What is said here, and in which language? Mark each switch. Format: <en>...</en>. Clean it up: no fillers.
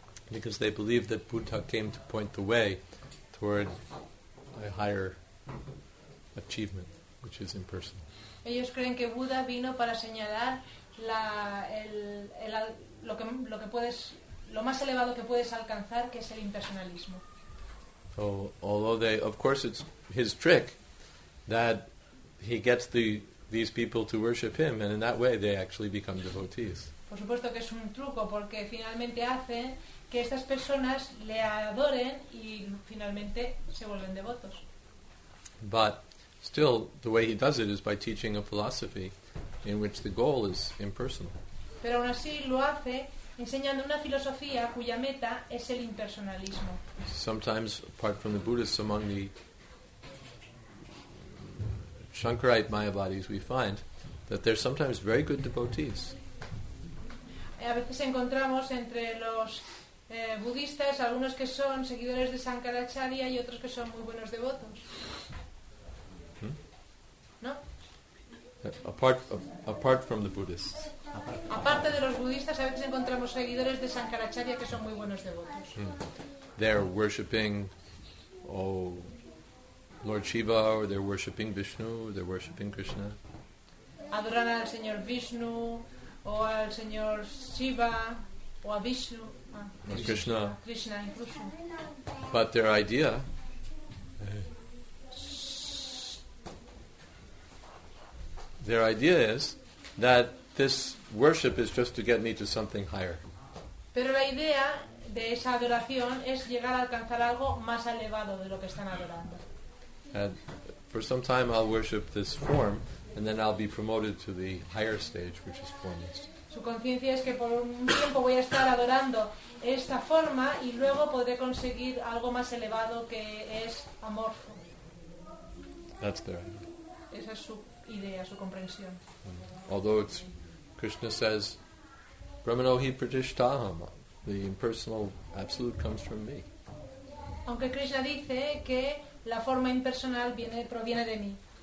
<en>Because they believe that Buddha came to point the way toward a higher achievement, which is impersonal.</en> <es>Ellos creen que Buda vino para señalar lo más elevado que puedes alcanzar, que es el impersonalismo.</es> <en>So, although they, of course, it's his trick that he gets these people to worship him, and in that way they actually become devotees.</en> <es>Por supuesto que es un truco, porque finalmente hace que estas personas le adoren y finalmente se vuelven devotos.</es> <en>But still, the way he does it is by teaching a philosophy in which the goal is impersonal.</en> <es>Pero aún así lo hace enseñando una filosofía cuya meta es el impersonalismo.</es> <en>Sometimes, apart from the Buddhists, among the Shankarite Mayavadis, we find that they're sometimes very good devotees.</en> <es>A veces encontramos entre los budistas algunos que son seguidores de Shankaracharya y otros que son muy buenos devotos. ¿No?</es> <en>Apart from the Buddhists.</en> <es>Aparte de los budistas, a veces encontramos seguidores de Shankaracharya que son muy buenos devotos.</es> <en>They're worshipping Lord Shiva, or they're worshipping Vishnu, they're worshipping Krishna.</en> <es>Adoran al señor Vishnu, o al señor Shiva, o a Vishnu.</es> <en>Krishna.</en> <es>Krishna, incluso.</es> <en>But their idea. Their idea is that this worship is just to get me to something higher.</en> <es>Pero la idea de esa adoración es llegar a alcanzar algo más elevado de lo que están adorando.</es> <en>And for some time I'll worship this form, and then I'll be promoted to the higher stage, which is formless.</en> <es>Su conciencia es que por un tiempo voy a estar adorando esta forma y luego podré conseguir algo más elevado que es amorfo.</es> <en>That's their idea.</en> <es>Esa es su idea, su comprensión.</es> <en>Although it's, Krishna says,</en> <sa>Brahmanohi Pratishtaham,</sa> <en>the impersonal absolute comes from me.</en> <es>Aunque Krishna dice que la forma impersonal proviene de mí.</es>